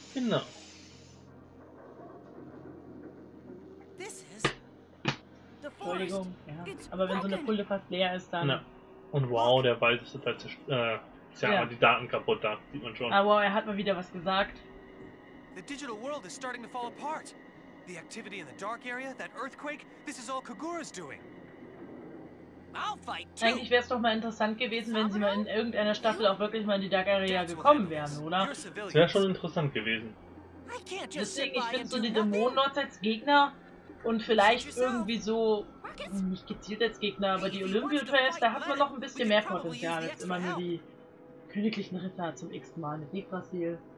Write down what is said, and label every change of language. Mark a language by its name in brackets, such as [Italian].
[German] Genau. Entschuldigung, ja. Aber wenn so eine Pulle fast leer ist, dann... Na. Und wow, der Wald ist total ist ja die Daten kaputt, da sieht man schon. Ah wow, er hat mal wieder was gesagt. [English] The digital world is starting to fall apart. The activity in the dark area, that earthquake, this is all Kagura's doing. [German] Eigentlich wäre es doch mal interessant gewesen, wenn sie mal in irgendeiner Staffel auch wirklich mal in die Dark Area gekommen wären, oder? Das wäre schon interessant gewesen. Deswegen, ich finde so die Dämonenlords als Gegner und vielleicht irgendwie so, nicht gezielt als Gegner, aber die Olympia-Trails, da hat man noch ein bisschen mehr Potenzial als immer nur die königlichen Ritter zum x-ten Mal mit Yggdrasil.